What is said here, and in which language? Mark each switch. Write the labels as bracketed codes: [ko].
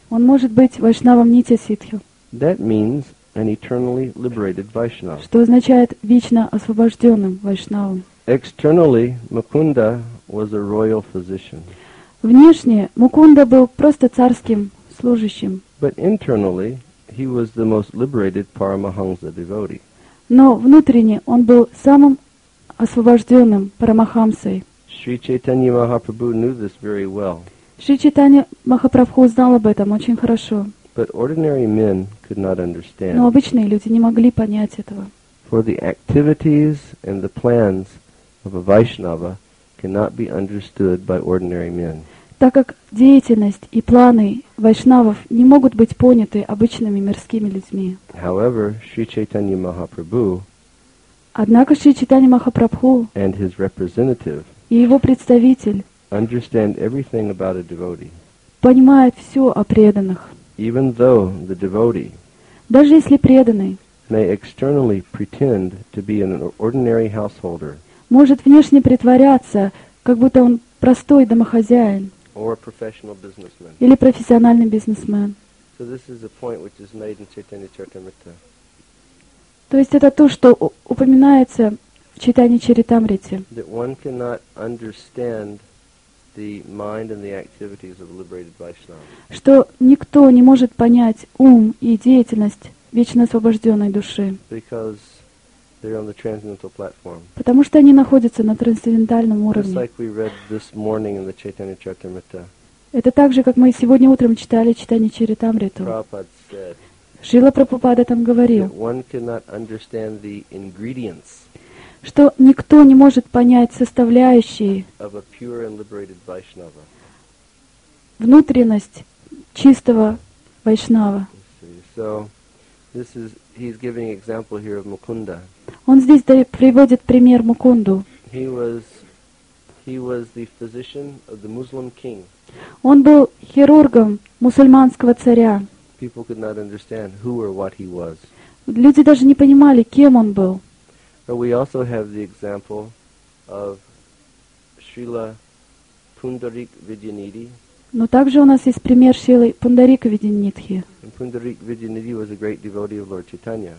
[ru] Он может быть вайшнавом Нитья-сиддхи. [en] That means an eternally liberated Vaishnava. [ru] Что означает вечно освобожденным вайшнавом. [en] Externally, Mukunda was a royal physician. [ru] Внешне Мукунда был просто царским служащим. [en] But internally, he was the most liberated Paramahamsa devotee. [ru] Но внутренне он был самым освобожденным Парамахамсой. [en] Шри Чайтанья Махапрабху knew this very well. [ru] Шри Чайтанья Махапрабху знал об этом очень хорошо. [en] But ordinary men could not understand. [ru] Но обычные люди не могли понять этого. [en] For the activities and the plans of a Vaishnava cannot be understood by ordinary men. [ru] Так как деятельность и планы вайшнавов не могут быть поняты обычными мирскими людьми. [en] However, Шри Чайтанья Махапрабху. [ru] Однако Шри Чайтанья Махапрабху. [en] And his representative. [ru] И его представитель [en] understand everything about a devotee, [ru] понимает все о преданных. [en] Even though the devotee, [ru] даже если преданный [en] may externally pretend to be an ordinary householder, [ru] может внешне притворяться, как будто он простой домохозяин [en] or a professional businessman. [ru] Или профессиональный бизнесмен. [en] So this is a point which is made in Chaitanya Charitamrita. [ru] То есть это то, что упоминается в Чайтанья Чаритамрите. [en] That one cannot understand the mind and the activities of a liberated Vaishnava. [ru] Что никто не может понять ум и деятельность вечно освобожденной души. [en] Because they're on the transcendental platform. [ru] Потому что они находятся на трансцендентальном уровне. [en] Just like we read this morning in the Chaitanya Charitamrita. [ru] Это так же, как мы сегодня утром читали Чайтанья Чаритамриту. [en] Prabhupada said. [ru] Шрила Прабхупада там говорил. [en] That one cannot understand the ingredients. [ru] Что никто не может понять составляющие [en] of a pure and liberated Vaishnava. [ru] Внутренность чистого вайшнава. [en] So, this is, he's giving example here of Mukunda. [ru] Он здесь приводит пример Мукунду. [en] He was the physician of the Muslim king. [ru] Он был хирургом мусульманского царя. [en] People could not understand who or what he was. [ru] Люди даже не понимали, кем он был. [en] But we also have the example of Srila Pundarik Vidyanidhi. [ru] Но также у нас есть пример Шрилы Пундарика Видьянидхи. [en] Pundarika Vidyanidhi was a great devotee of Lord Chaitanya.